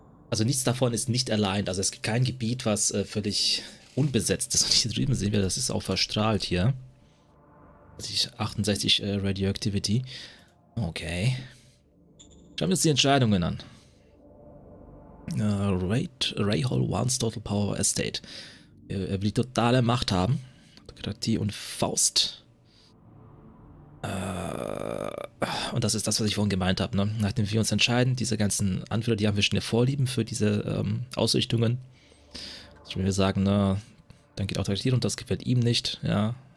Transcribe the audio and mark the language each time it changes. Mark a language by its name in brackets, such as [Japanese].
[German] Also nichts davon ist nicht aligned. Also es gibt kein Gebiet, was völlig unbesetzt ist. Und hier drüben sehen wir, das ist auch verstrahlt hier. 68 Radioactivity. Okay. Schauen wir uns die Entscheidungen an. [English] Ray Hall wants total power estate. [German] Er will die totale Macht haben. Demokratie und Faust. Und das ist das, was ich vorhin gemeint habe. Ne? Nachdem wir uns entscheiden, diese ganzen Anführer, die haben wir schon eine Vorlieben für diese Ausrichtungen. Also wenn wir sagen, na, dann geht auch Demokratie und das gefällt ihm nicht. Ja.